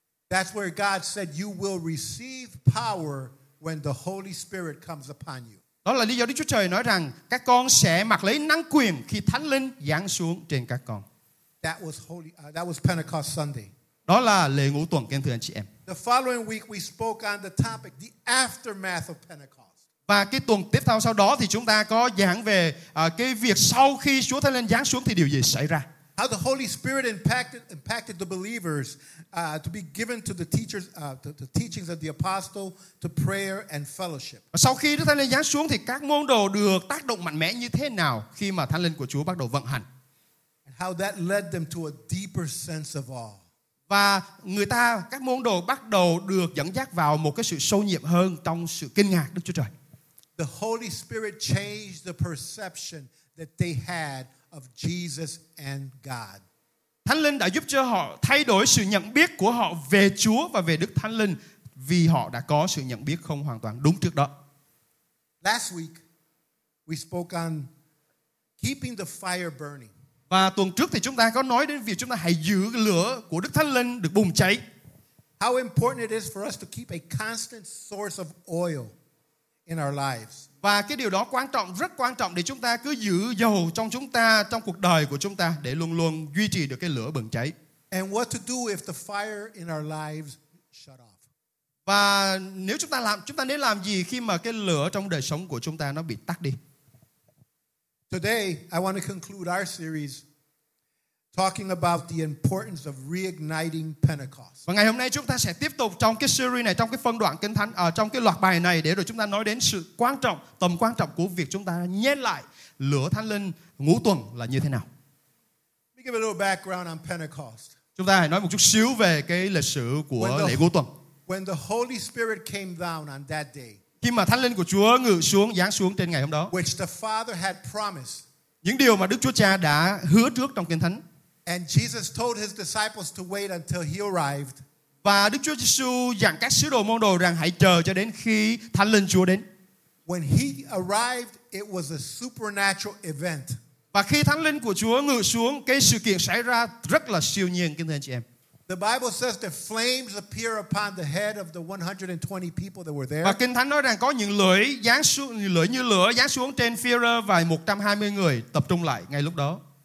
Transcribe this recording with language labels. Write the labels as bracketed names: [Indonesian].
[English] That's where God said you will receive power when the Holy Spirit comes upon you. [Vietnamese] Đó là lý do Đức Chúa Trời nói rằng các con sẽ mặc lấy năng quyền khi Thánh Linh giáng xuống trên các con. [English] That was Pentecost Sunday. [Vietnamese] Đó là lễ ngũ tuần, kính thưa anh chị em. [English] The following week we spoke on the topic, the aftermath of Pentecost. [Vietnamese] Và cái tuần tiếp theo sau đó thì chúng ta có giảng về cái việc sau khi Chúa Thánh Linh giáng xuống thì điều gì xảy ra. [English] How the Holy Spirit impacted the believers to be given to the teachers, the teachings of the apostle, to prayer and fellowship. [Vietnamese] Sau khi Đức Thánh Linh giáng xuống thì các môn đồ được tác động mạnh mẽ như thế nào khi mà Thánh Linh của Chúa bắt đầu vận hành. [English] And how that led them to a deeper sense of awe. [Vietnamese] Và người ta, các môn đồ bắt đầu được dẫn dắt vào một cái sự sâu nhiệm hơn trong sự kinh ngạc Đức Chúa Trời. [English] The Holy Spirit changed the perception that they had of Jesus and God. [Vietnamese] Thánh Linh đã giúp cho họ thay đổi sự nhận biết của họ về Chúa và về Đức Thánh Linh vì họ đã có sự nhận biết không hoàn toàn đúng trước đó. [English] Last week, we spoke on keeping the fire burning. [Vietnamese] Và tuần trước thì chúng ta có nói đến việc chúng ta hãy giữ lửa của Đức Thánh Linh được bùng cháy. [English] How important it is for us to keep a constant source of oil in our lives. [Vietnamese] Và cái điều đó quan trọng, rất quan trọng để chúng ta cứ giữ dầu trong chúng ta, trong cuộc đời của chúng ta để luôn luôn duy trì được cái lửa bừng cháy. [English] And what to do if the fire in our lives shut off. [Vietnamese] Và nếu chúng ta làm, chúng ta nên làm gì khi mà cái lửa trong đời sống của chúng ta nó bị tắt đi. [English] Today, I want to conclude our series talking about the importance of reigniting Pentecost. [Vietnamese] Và ngày hôm nay chúng ta sẽ tiếp tục trong cái series này, trong cái phân đoạn kinh thánh, trong cái loạt bài này để rồi chúng ta nói đến sự quan trọng, tầm quan trọng của việc chúng ta nhen lại lửa Thánh Linh ngũ tuần là như thế nào. [English] Let me give a little background on Pentecost. [Vietnamese] Chúng ta hãy nói một chút xíu về cái lịch sử của lễ ngũ tuần. [English] When the Holy Spirit came down on that day. [Vietnamese] Khi mà Thánh Linh của Chúa ngự xuống, giáng xuống trên ngày hôm đó. [English] Which the Father had promised. [Vietnamese] Những điều mà Đức Chúa Cha đã hứa trước trong kinh thánh. [English] And Jesus told his disciples to wait until he arrived. [Vietnamese] Và Đức Chúa Giêsu dặn các sứ đồ môn đồ rằng hãy chờ cho đến khi Thánh Linh Chúa đến. [English] When he arrived, it was a supernatural event. [Vietnamese] Và khi Thánh Linh của Chúa ngự xuống, cái sự kiện xảy ra rất là siêu nhiên, kính thưa anh chị em. [English] The Bible says that flames appear upon the head of the 120 people that were there. [Vietnamese] Và kinh thánh nói rằng có những lưỡi giáng xuống, lưỡi như lửa giáng xuống trên Phi-rơ và 120 người tập trung lại ngay lúc đó.